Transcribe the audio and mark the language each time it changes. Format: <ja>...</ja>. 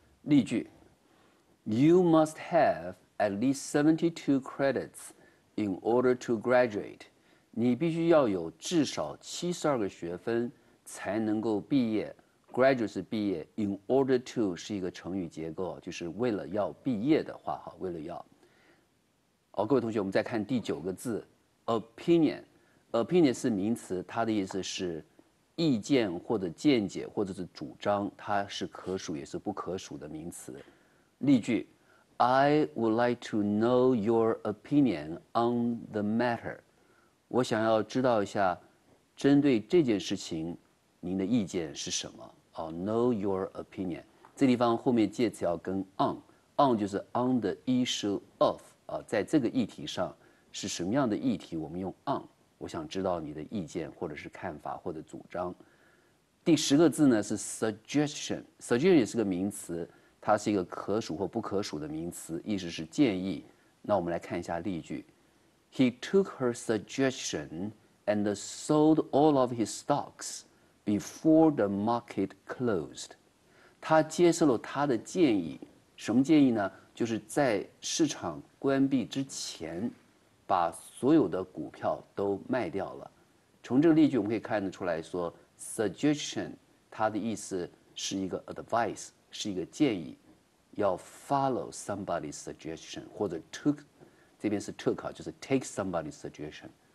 <en>例句 You must haveAt least 72 credits in order to graduate.</en> <zh>你必须要有至少72个学分才能够毕业。 Graduate 是毕业， in order to 是一个成语结构，就是为了要毕业的话，为了要。好，各位同学，我们再看第九个字 ,opinion。 Opinion 是名词，它的意思是意见或者见解或者是主张，它是可数也是不可数的名词。</zh> <en>例句I would like to know your opinion on the matter.</en> <zh>我想要知道一下针对这件事情您的意见是什么。</zh> <en>Oh, know your opinion.</en> <zh>这地方后面介词要跟 on。on 就是</zh> <en>on the issue of,</en> <zh>在这个议题上是什么样的议题我们用 on。我想知道你的意见或者是看法或者主张。第十个字呢是 suggestion。suggestion 也是个名词。它是一个可数或不可数的名词，意思是建议。那我们来看一下例句</zh> <en>He took her suggestion and sold all of his stocks before the market closed.</en> <zh>他接受了他的建议，什么建议呢？就是在市场关闭之前把所有的股票都卖掉了。从这个例句我们可以看得出来说 suggestion 它的意思是一个 advice，是一个建议，要</zh> <en>follow somebody's suggestion，</en> <zh>或者 took， 这边是 took 就是</zh> <en>take somebody's suggestion。</en>